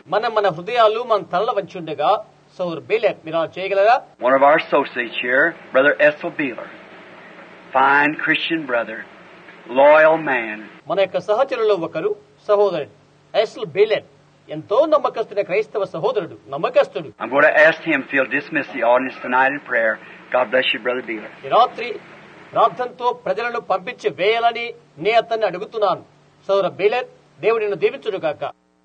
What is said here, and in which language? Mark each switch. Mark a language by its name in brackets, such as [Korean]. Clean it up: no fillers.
[Telugu] మన హృదయాలు మన తలలు వంచి ఉండగా సోదరు బీలర్ మీరు అలా చేయగలరా? [English] One of our associates here, Brother Ethel Beeler. Fine Christian brother, loyal man. [Telugu] మన యొక్క సహచరులలో ఒకరు సహోదరు ఎస్ఎల్ బీలర్, ఎంతో నమ్మకస్తున్న క్రైస్తవ సహోదరుడు, నమ్మకస్తుడు. [English] I'm going to ask him if he'll dismiss the audience tonight in prayer. God bless you, Brother Beeler. [Telugu] రాత్రి ప్రార్థనతో ప్రజలను పంపించి వేయాలని నే అతన్ని అడుగుతున్నాను. సోదరు బీలర్, దేవుడిని దీవించుడుగాక.